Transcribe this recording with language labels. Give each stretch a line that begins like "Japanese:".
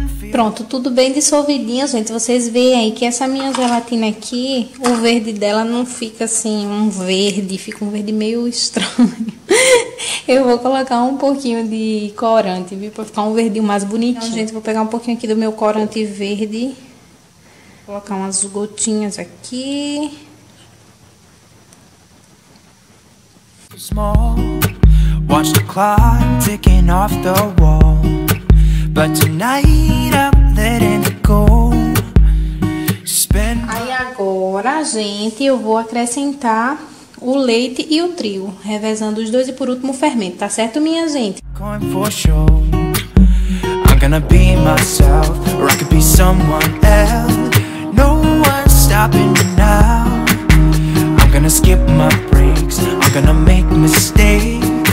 Portuguese: Pronto, tudo bem dissolvidinho, gente. Vocês veem aí que essa minha gelatina aqui, o verde dela não fica assim um verde, fica um verde meio estranho. Eu vou colocar um pouquinho de corante, viu? Pra ficar um verdinho mais bonitinho. Então, gente, vou pegar um pouquinho aqui do meu corante verde. Vou colocar umas gotinhas aqui.
English: Small, watch the clock ticking off the wall. But tonight I'm letting it go. Spend my...
Portuguese: Aí agora, gente, eu vou acrescentar o leite e o trigo, revezando os dois e por último o fermento, tá certo, minha gente?
English: Going for show. I'm gonna be myself, or I could be someone else. No one's stopping me now. I'm gonna skip my breaks, I'm gonna make mistakes.